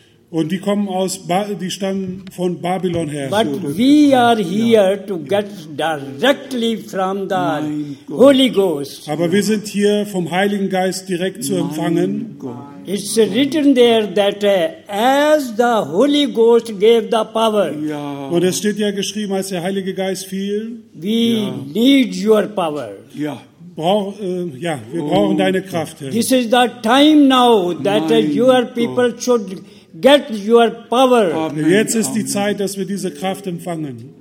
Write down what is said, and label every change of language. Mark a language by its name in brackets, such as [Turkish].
[German] Und die kommen aus die stammen von Babylon her. [English] But we are here to get directly from the Holy Ghost. [German] Aber wir sind hier vom Heiligen Geist direkt zu empfangen. [English] It's written there that as the Holy Ghost gave the power. [German] Und es steht ja geschrieben, als der Heilige Geist fiel. [English] We need your power. [German] Wir brauchen deine Kraft. [English] This is the time now that your people should get your power. Amen. [German] Jetzt ist die Zeit, dass wir diese Kraft empfangen.